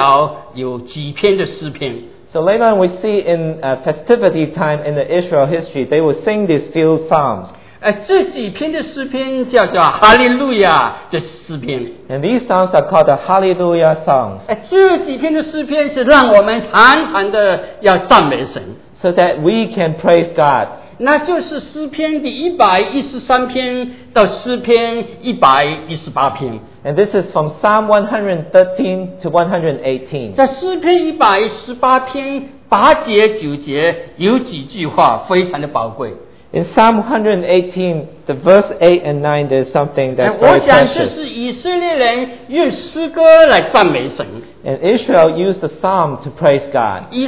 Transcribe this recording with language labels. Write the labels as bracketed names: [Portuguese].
[Chinese] 以后我们看到这个历代的以色列人他们常常在节期的时候就唱了有几篇的诗篇, [English] so later on we see in festivity time in the Israel history, they will sing these few psalms. [Chinese] 这几篇的诗篇叫做哈利路亚的诗篇, [English] and these songs are called the Hallelujah songs. [Chinese] 这几篇的诗篇是让我们常常的要赞美神, [English] so that we can praise God. [Chinese] 那就是诗篇第113篇到诗篇118篇, [English] and this is from Psalm 113 to 118. [Chinese] 在诗篇118篇8节9节有几句话非常的宝贵, [English] in Psalm 118, the verse 8 and 9, there's something that's very precious. [Chinese] 我想这是以色列人用诗歌来赞美神, [English] and Israel used the psalm to praise God.